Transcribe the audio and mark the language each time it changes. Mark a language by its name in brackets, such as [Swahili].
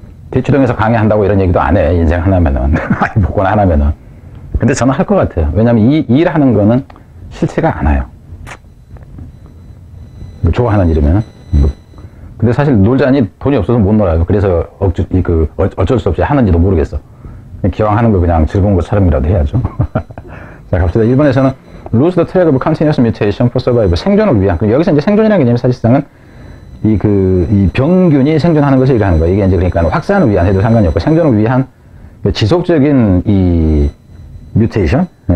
[Korean] 대치동에서 강의한다고 이런 얘기도 안 해. 인생 하나면은. 복권 하나면은. 근데 저는 할 것 같아요. 왜냐면 이 일 하는 거는 싫지가 않아요. 뭐 좋아하는 일이면은. 근데 사실 놀자니 돈이 없어서 못 놀아요. 그래서 어쩔 수 없이 하는지도 모르겠어. 기왕 하는 거 그냥 즐거운 것처럼이라도 해야죠. 자, 갑시다. 1번에서는 [English] lose the track of continuous mutation for survival. [Korean] 생존을 위한. 그럼 여기서 이제 생존이라는 개념이 사실상은 이 병균이 생존하는 것을 얘기하는 거예요. 이게 이제 그러니까 확산을 위한 해도 상관이 없고 생존을 위한 그 지속적인 이 mutation?